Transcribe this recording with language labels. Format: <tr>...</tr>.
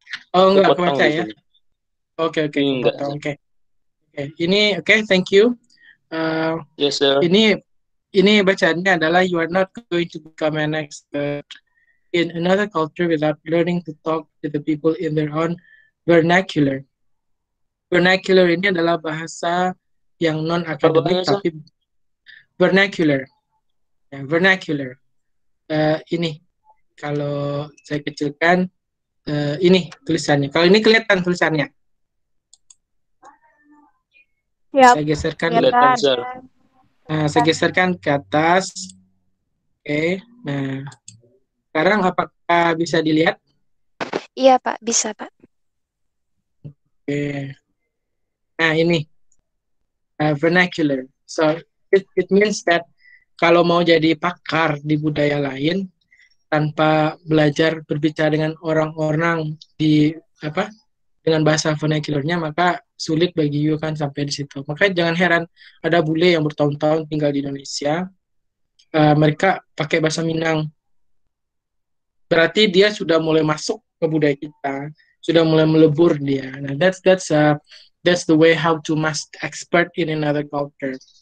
<id>Oh, nggak kelihatan ya? Oke. Nggak, sir. Okay.</id> <en>Ini, thank you. Yes, sir.</en> <id>Ini bacaannya adalah</id> <en>you are not going to become an expert in another culture without learning to talk to the people in their own vernacular.</en> <id>Vernacular ini adalah bahasa yang non akademik tapi vernacular. Ya, vernacular. Ini kalau saya kecilkan ini tulisannya. Kalau ini kelihatan tulisannya.</id> <en>Yep.</en> <id>Saya geserkan kelihatan. Nah, saya geserkan ke atas. Okay. Nah, sekarang apakah bisa dilihat? Iya, Pak. Bisa, Pak. Oke. Okay. Nah, ini. Vernacular.</id> <en>So, it means that</en> <id>kalau mau jadi pakar di budaya lain, tanpa belajar berbicara dengan orang-orang di, apa, dengan bahasa vernacular-nya, maka sulit bagi you kan sampai di situ. Makanya jangan heran ada bule yang bertahun-tahun tinggal di Indonesia, mereka pakai bahasa Minang. Berarti dia sudah mulai masuk ke budaya kita, sudah mulai melebur dia.</id> <en>Nah, that's the way how to must expert in another culture.</en>